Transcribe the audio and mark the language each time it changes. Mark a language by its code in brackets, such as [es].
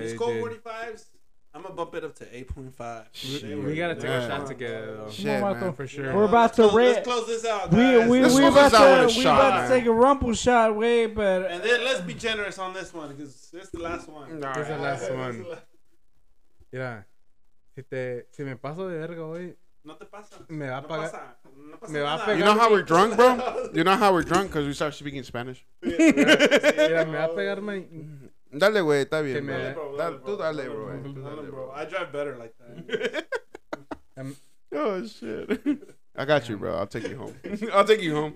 [en] these Colt 45s. I'm gonna bump it up to 8.5. We gotta take a shot together, though. Shit, man. For sure. We're about to let's close this out, guys. We're about to take a rumble shot, way better. And then let's be generous on this one, because it's the last one. All right. [es] Mira, si me paso de verga hoy. [en] You know how we're drunk, bro? You know how we're drunk? Because we start speaking Spanish. [es] Dale, güey, está bien. Dale, bro. [en] I drive better like that. Oh, shit. I got you, bro. I'll take you home.